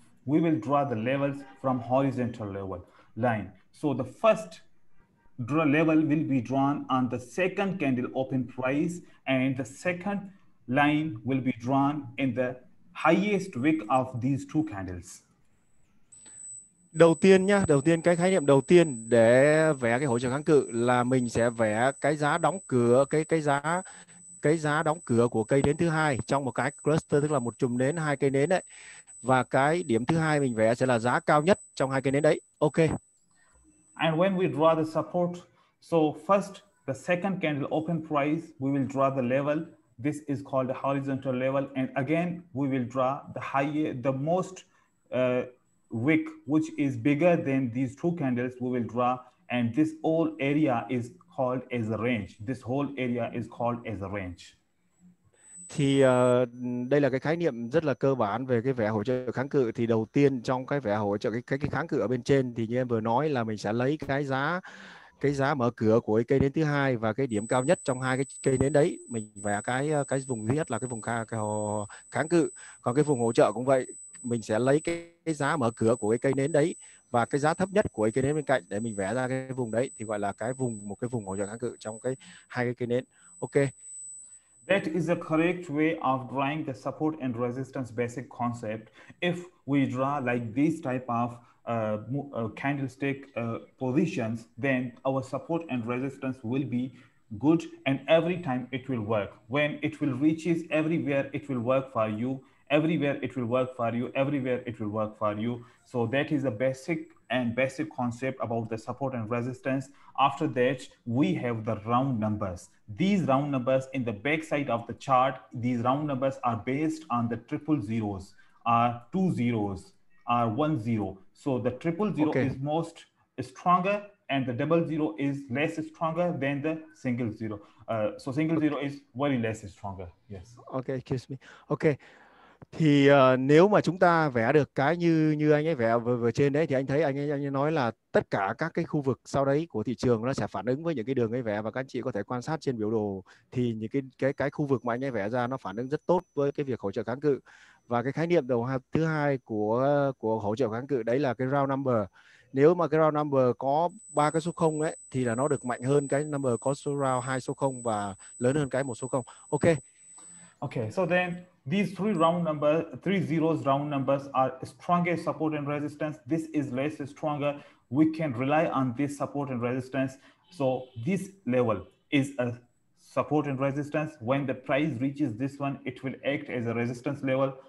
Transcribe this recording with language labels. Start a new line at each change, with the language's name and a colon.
English: we will draw the levels from horizontal level line. So the first draw level will be drawn on the second candle open price, and the second line will be drawn in the highest wick of these two candles.
Vietnamese: Đầu tiên nhá, đầu tiên cái khái niệm đầu tiên để vẽ cái hội chợ kháng cự là mình sẽ vẽ cái giá đóng cửa, cái giá đóng cửa của cây nến thứ hai trong một cái cluster, tức là một chùm nến hai cây nến đấy, và cái điểm thứ hai mình vẽ sẽ là giá cao nhất trong hai cây nến đấy.
English: Ok. And when we draw the support, so first the second candle open price, we will draw the level. This is called the horizontal level, and again we will draw the highest, the most wick, which is bigger than these two candles, we will draw, and this whole area is called as a range. This whole area is called as a range.
Vietnamese: Thì đây là cái khái niệm rất là cơ bản về cái vẽ hỗ trợ kháng cự. Thì đầu tiên trong cái vẽ hỗ trợ cái kháng cự ở bên trên, thì như em vừa nói là mình sẽ lấy cái giá mở cửa của cái cây nến thứ hai và cái điểm cao nhất trong hai cái cây nến đấy, mình vẽ cái vùng thứ nhất là cái vùng kháng cự, còn cái vùng hỗ trợ cũng vậy, mình sẽ lấy cái giá mở cửa của cái cây nến đấy và cái giá thấp nhất của cái cây nến bên cạnh để mình vẽ ra cái vùng đấy, thì gọi là một cái vùng hỗ trợ kháng cự trong cái hai cái cây nến.
English: Ok. That is the correct way of drawing the support and resistance basic concept. If we draw like this type of candlestick positions, then our support and resistance will be good, and every time it will work. When it will reaches everywhere, it will work for you. Everywhere it will work for you. Everywhere it will work for you. So that is the basic concept about the support and resistance. After that, we have the round numbers. These round numbers in the back side of the chart, these round numbers are based on the triple zeros, are two zeros, are one zero. So the triple zero okay. is most stronger, and the double zero is less stronger than the single zero. So single zero is very less stronger. Yes. Okay, excuse me. Okay.
Vietnamese: Thì nếu mà chúng ta vẽ được cái như anh ấy vẽ vừa trên đấy, thì anh thấy anh ấy nói là tất cả các cái khu vực sau đấy của thị trường nó sẽ phản ứng với những cái đường ấy vẽ, và các anh chị có thể quan sát trên biểu đồ thì những cái khu vực mà anh ấy vẽ ra nó phản ứng rất tốt với cái việc hỗ trợ kháng cự. Và cái khái niệm thứ hai của hỗ trợ kháng cự đấy là cái round number. Nếu mà cái round number có 3 cái số 0 ấy thì là nó được mạnh hơn cái number có số round 2 số 0 và lớn hơn cái 1 số 0.
English: Ok. Ok, so then these three zeros round numbers are stronger support and resistance. This is less stronger. We can rely on this support and resistance. So this level is a support and resistance. When the price reaches this one, it will act as a resistance level.